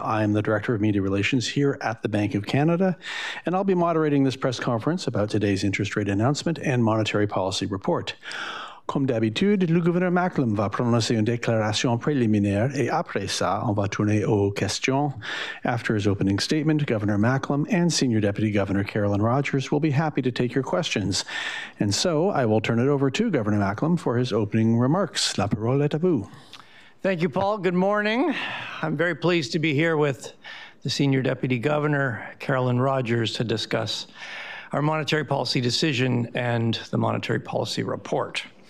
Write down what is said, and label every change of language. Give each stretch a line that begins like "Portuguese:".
English: I am the Director of Media Relations here at the Bank of Canada, and I'll be moderating this press conference about today's interest rate announcement and monetary policy report.
French: Comme d'habitude, le gouverneur Macklem va prononcer une déclaration préliminaire et après ça, on va tourner aux questions.
English: After his opening statement, Governor Macklem and Senior Deputy Governor Carolyn Rogers will be happy to take your questions. And so, I will turn it over to Governor Macklem for his opening remarks.
French: La parole est à vous.
English: Thank you, Paul. Good morning. I'm very pleased to be here with the Senior Deputy Governor Carolyn Rogers to discuss our monetary policy decision and the monetary policy report.